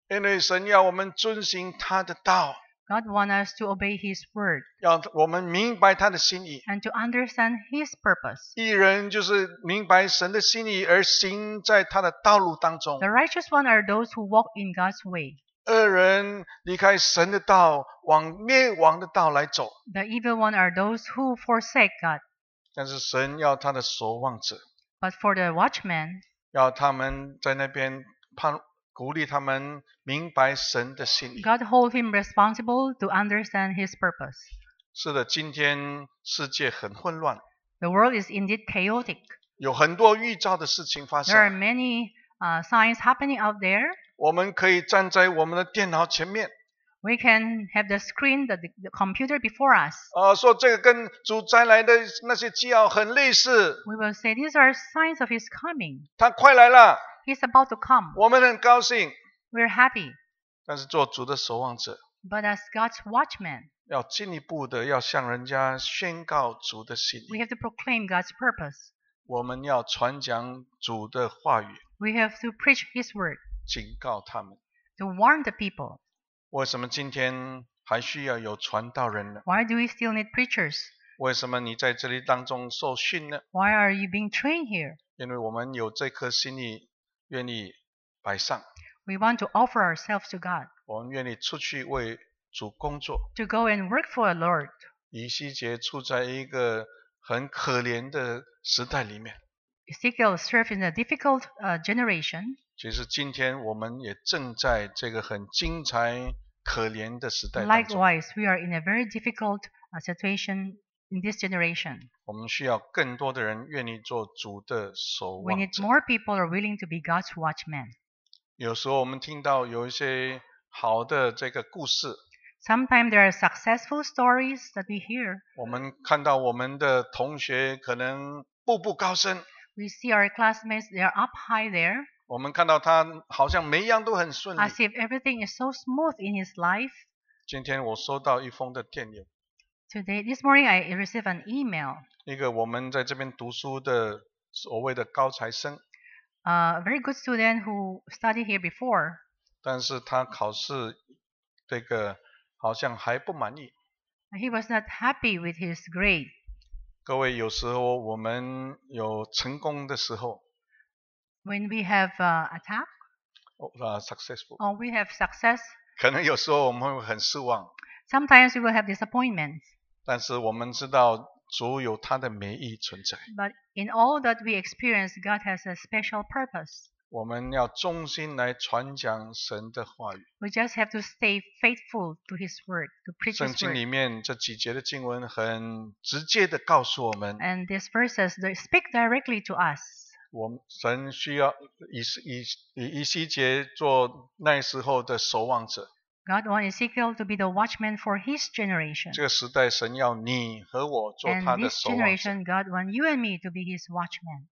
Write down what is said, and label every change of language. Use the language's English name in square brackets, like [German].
[Chinese] 因为神要我们遵循他的道 [English] God wants us to obey His word. [Chinese] 要我们明白他的心意 [English] And to understand His purpose. [Chinese] 义人就是明白神的心意而行在他的道路当中 [English] The righteous ones are those who walk in God's way. [Chinese] 恶人离开神的道往灭亡的道来走 [English] The evil ones are those who forsake God. [Chinese] 但是神要他的守望者 [English] But for the watchmen, [Chinese] 要他们在那边盼鼓励他们明白神的心意。 [English] God hold him responsible to understand his purpose. [Chinese] 是的，今天世界很混乱。 [English] The world is indeed chaotic. [Chinese] 有很多预兆的事情发生。 [English] There are many signs happening out there. [Chinese] 我们可以站在我们的电脑前面。 [English] We can have the screen, the computer before us. [Chinese] 说这个跟主再来的那些记号很类似。 [English] We will say these are signs of his coming. [Chinese] 他快来了。 [English] He's about to come. [Chinese] 我们很高兴。 [English] We're happy. [Chinese] 但是做主的守望者。 [English] But as God's watchman. [Chinese] 要进一步的要向人家宣告主的心意。 [English] We have to proclaim God's purpose. [Chinese] 我们要传讲主的话语。 [English] We have to preach His word. [Chinese] 警告他们。 [English] To warn the people. [Chinese] 为什么今天还需要有传道人呢？ [English] Why do we still need preachers? [Chinese] 为什么你在这里当中受训呢？ [English] Why are you being trained here? [Chinese] 因为我们有这颗心意。愿意摆上。 [English] We want to offer ourselves to God. [Chinese] 我们愿意出去为主工作。 [English] To go and work for the Lord. [Chinese] 以西结处在一个很可怜的时代里面。 [English] Ezekiel served in a difficult generation. [Chinese] 其实今天我们也正在这个很精彩可怜的时代当中。 [English] Likewise, we are in a very difficult situation. In this generation, [Chinese] 我们需要更多的人愿意做主的守望者。 [English] We need more people are willing to be God's watchman. [Chinese] 有时候我们听到有一些好的这个故事。 [English] Sometimes there are successful stories that we hear. [Chinese] 我们看到我们的同学可能步步高升。 [English] We see our classmates, they are up high there. [Chinese] 我们看到他好像每一样都很顺利。 [English] As if everything is so smooth in his life. [Chinese] 今天我收到一封的电邮。 [English] This morning, I received an email. [Chinese] 一个我们在这边读书的所谓的高材生。 [English] A very good student who studied here before. [Chinese] 但是他考试这个好像还不满意。 [English] He was not happy with his grade. [Chinese] 各位，有时候我们有成功的时候。 [English] When we have attack. Successful. Or we have success. [Chinese] 可能有时候我们会很失望。 [English] Sometimes we will have disappointments. [Chinese] 但是我们知道主有他的美意存在。 [English] But in all that we experience, God has a special purpose. [Chinese] 我们要忠心来传讲神的话语。 [English] We just have to stay faithful to His word, to preach His word. [Chinese] 圣经里面这几节的经文很直接的告诉我们。 [English] And these verses speak directly to us. [Chinese] 我们神需要以西结做那时候的守望者。 [English] God wants Ezekiel to be the watchman for his generation. [Chinese] 这个时代神要你和我做他的守望者。 [English] And this generation, God wants you and me to be his watchman.